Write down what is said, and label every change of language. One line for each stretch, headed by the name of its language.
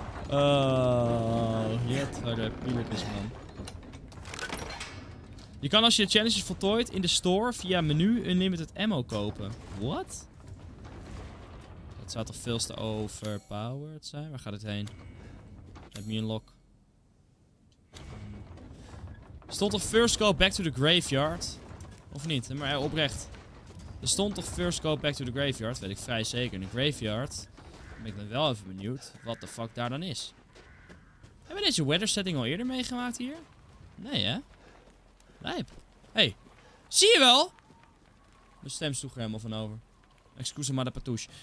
Dutch: Oh, jet, wat een pilletjes, man. Je kan als je de challenge is voltooid in de store via menu unlimited ammo kopen.
English: What?
Dutch: Dat zou toch veel te overpowered zijn? Waar gaat het heen? Heb je een lock? Stond toch
English: first go back to the graveyard?
Dutch: Of niet? Maar oprecht. Er stond toch
English: first go back to the graveyard?
Dutch: Weet ik vrij zeker. In de graveyard. Ben ik dan wel even benieuwd wat de fuck daar dan is. Hebben we deze weather setting al eerder meegemaakt hier? Nee, hè? Lijp. Hey, zie je wel? Mijn stem sloeg er helemaal van over.
English: Excuse me,
Dutch: de patouche.